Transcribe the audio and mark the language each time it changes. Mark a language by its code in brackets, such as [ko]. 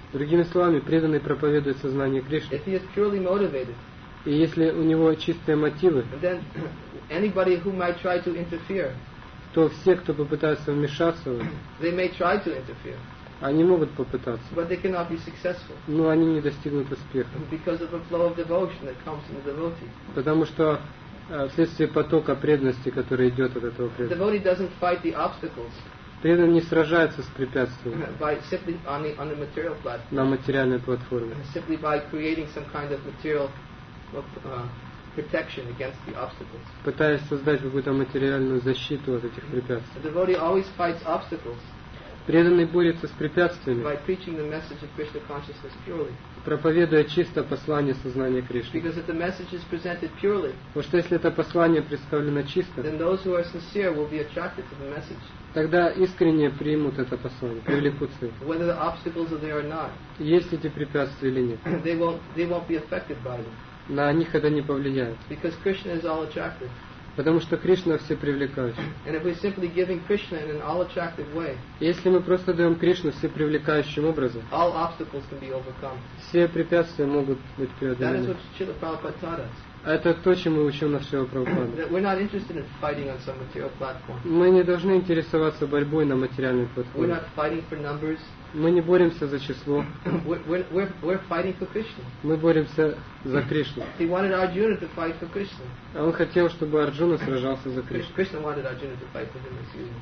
[ru] Другими словами, преданный проповедует сознание Кришны. [en] If he is purely motivated, [ru] и если у него чистые мотивы, [en] then anybody who might try to interfere, [ru] то все, кто попытается вмешаться в это, [en] they may try to interfere, [ru] они могут попытаться, [en] but they cannot be successful, [ru] но они не достигнут успеха, [en] because of the flow of devotion that comes from the devotee. [ru] Потому что вследствие потока преданности, который идет от этого преданного, [en] the devotee doesn't fight the obstacles, [ru] преданный не сражается с препятствиями, [en] by simply on the material platform, [ru] на материальной платформе, [en] simply by creating some kind of material protection against the obstacles. [ru] Пытаясь создать какую-то материальную защиту от этих препятствий. [en] The devotee always fights obstacles. [ru] Преданный борется с препятствиями. [en] By preaching the message of Krishna consciousness purely. [ru] Проповедуя чисто послание сознания Кришны. [en] Because if the message is presented purely. [ru] Потому что если это послание представлено чисто. [en] Then those who are sincere will be attracted to the message. [ru] Тогда искренне примут это послание, привлекутся. [en] Whether the obstacles are there or not. [ru] Есть эти препятствия или нет. [en] They won't be affected by them. [ru] На них это не повлияет. [en] Because Krishna is all attractive. [ru] Потому что Кришна все привлекающий. [en] And if we're simply giving Krishna in an all attractive way. [ru] Если мы просто даем Кришну все привлекающим образом. [en] All obstacles can be overcome. [ru] Все препятствия могут быть преодолены. [en] That is what Śrīla Prabhupāda taught us. [ru] Это то, чему учил наш Śrīla Prabhupāda. [en] That we're not interested in fighting on some material platform. [ru] Мы не должны интересоваться борьбой на материальной платформе. [en] We're not fighting for numbers. [ru] Мы не боремся за число. [en] We're fighting for Krishna. [ru] Мы боремся за Кришну. [en] He wanted Arjuna to fight for Krishna. [ru] А он хотел, чтобы Арджуна сражался за Кришну. [en] Krishna wanted Arjuna to fight for him, excuse me.